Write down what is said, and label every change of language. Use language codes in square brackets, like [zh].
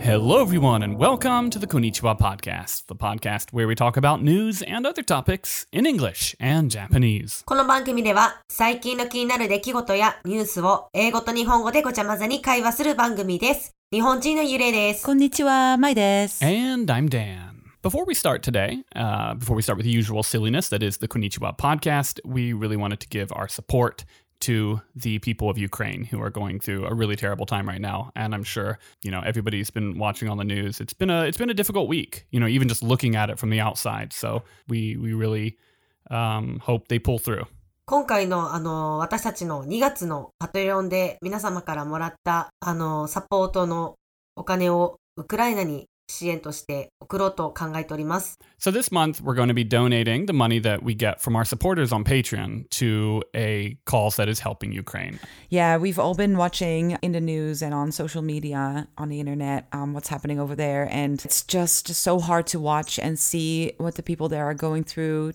[en] Hello, everyone, and welcome to the Konnichiwa Podcast, the podcast where we talk about news and other topics in English and Japanese. [ja] この番組では最近の気になる出来事やニュースを英語と日本語でごちゃ混ぜに会話する番組です。日本人のゆれです。こんにちは、まいです。 [en] And I'm Dan. Before we start today, before we start with the usual silliness that is the Konnichiwa podcast, we really wanted to give our support to the people of Ukraine who are going through a really terrible time right now. And I'm sure, you know, everybody's been watching on the news. It's been a difficult week, you know, even just looking at it from the outside. So we really hope they pull through. [ja] 今回の、私たちの2月のパトリオンで皆様からもらった、サポートのお金をウクライナに支援として送ろうと考えております。 [en] So this month we're going to be donating the money that we get from our supporters on Patreon to a cause that is helping Ukraine. Yeah, we've all been watching in the news and on social media, on the internet, what's happening over there. And it's just so hard to watch and see what the people there are going through.